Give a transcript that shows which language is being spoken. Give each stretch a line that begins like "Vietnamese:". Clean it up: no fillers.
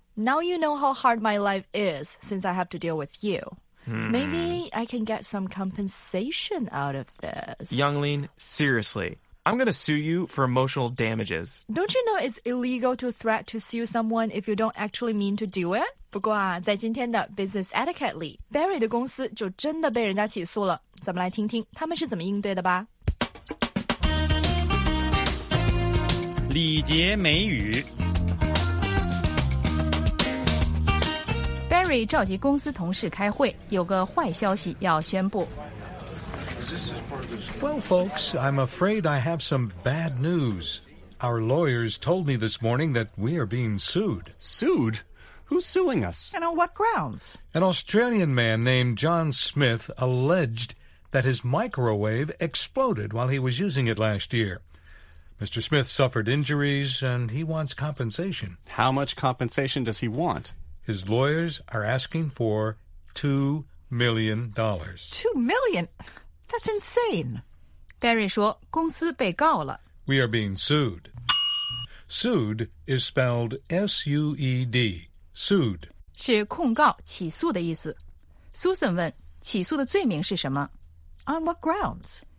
English: Now you know how hard my life is since I have to deal with you. Hmm. Maybe I can get some compensation out of this. Younglin, seriously. I'm going to sue you for emotional damages. Don't you know it's illegal to threat to sue someone if you don't actually mean to do it?
Chinese: 不过啊，在今天的 business etiquette 里， Barry 的公司就真的被人家起诉了。咱们来听听他们是怎么应对的吧。礼节美语。 Barry 召集公司同事开会，有个坏消息要宣布。
English: Well, folks, I'm afraid I have some bad news. Our lawyers told me this morning that we are being sued. Sued? Who's suing us? And on what grounds? An Australian man named John Smith alleged that his microwave exploded while he was using it last year. Mr. Smith suffered injuries, and he wants compensation. How much compensation does he want? His lawyers are asking for $2 million. $2 million? That's insane.
Chinese: Barry 说公司被告了。
English: We are being sued. Sued is spelled S-U-E-D. Sued.
Chinese: 是控告、起诉的意思。 Susan 问起诉的罪名是什么。
English: On what grounds?